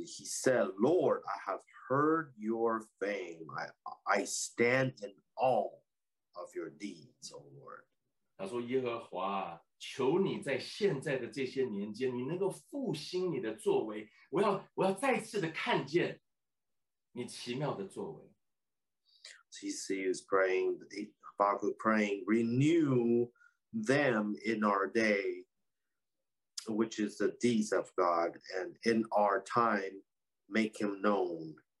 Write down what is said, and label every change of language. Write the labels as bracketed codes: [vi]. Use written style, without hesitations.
[en] he said, Lord, I have heard your fame. I stand in awe of your deeds, O Lord. [zh] 他说耶和华，求你在现在的这些年间，你能够复兴你的作为，我要再次的看见你奇妙的作为。 [en] He is praying, Habakkuk praying, renew them in our day, which is the deeds of God, and in our time, make him known.